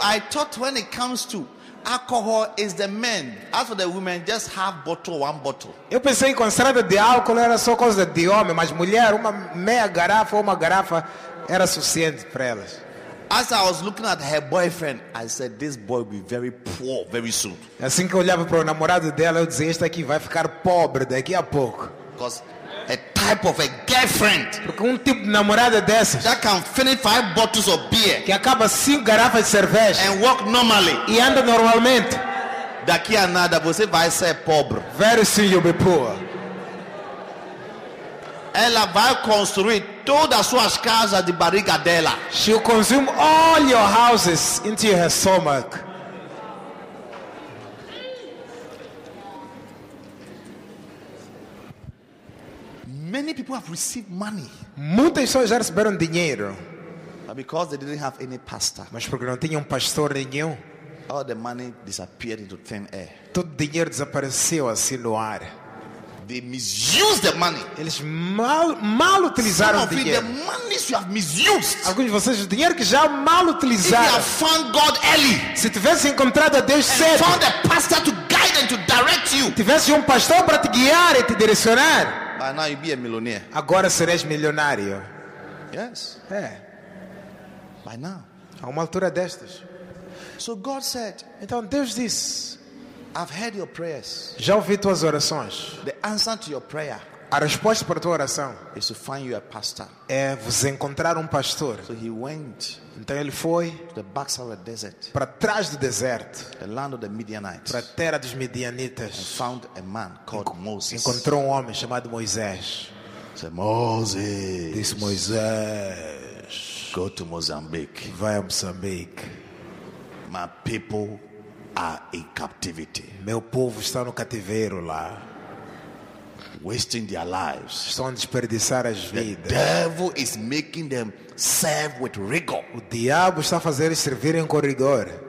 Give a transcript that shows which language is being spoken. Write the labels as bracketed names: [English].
[English] I thought when it comes to alcohol, is the men. As for the women, just half bottle, one bottle. [Portuguese] Eu pensei que quando se trata de álcool era só coisa de homem, mas mulher, uma meia garrafa ou uma garrafa era suficiente para elas. [English] As I was looking at her boyfriend, I said, this boy will be very poor very soon. [Portuguese] Assim que eu olhava para o namorado dela, eu dizia, este aqui vai ficar pobre daqui a pouco. [English] Because type of a girlfriend. [Portuguese] Porque um tipo de namorada dessas. [English] That can finish 5 bottles of beer. [Portuguese] Que acaba 5 garrafas de cerveja. [English] And walk normally. [Portuguese] E anda normalmente. Daqui a nada você vai ser pobre. [English] Very soon you'll be poor. [Portuguese] Ela vai construir todas as suas casas de barriga dela. [English] She'll consume all your houses into her stomach. Many people have received money. [Portuguese] Muitas pessoas já receberam dinheiro. [English] But because they didn't have any pastor. [Portuguese] Mas porque não tinham pastor nenhum. [English] All the money disappeared into thin air. [Portuguese] Todo o dinheiro desapareceu assim no ar. [English] They misused the money. [Portuguese] Eles mal utilizaram o dinheiro. [English] Some of the monies you have misused. [Portuguese] Alguns de vocês o dinheiro que já mal utilizaram. [English] If you have found God early. [Portuguese] Se tivesse encontrado a Deus cedo. [English] And found a pastor to guide and to direct you. [Portuguese] Tivesse um pastor para te guiar e te direcionar. [English] By now you'd be a millionaire. [Portuguese] Agora serás milionário. [English] Yes. [Portuguese] É. [English] By now. [Portuguese] A uma altura destas. [English] So God said. [Portuguese] Então Deus disse. [English] I've heard your prayers. [Portuguese] Já ouvi tuas orações. [English] The answer to your prayer. [Portuguese] A resposta para a tua oração. [English] Is to find you a pastor. [Portuguese] É vos encontrar pastor. [English] So he went. [Portuguese] Então ele foi. [English] To the back of the desert. [Portuguese] Para trás do deserto. [English] The land of the Midianites. [Portuguese] Para a terra dos Midianitas. [English] And found a man called Moses. [Portuguese] Encontrou homem chamado Moisés. [English] Said, Moses. [Portuguese] Disse Moisés. [English] Go to Mozambique. [Portuguese] Vai a Moçambique. [English] My people. In captivity. [Portuguese] Meu povo está no cativeiro lá. [English] Wasting their lives. [Portuguese] Estão a desperdiçar as vidas. [English] The devil is making them serve with rigor. [Portuguese] O diabo está a fazer eles servirem com rigor.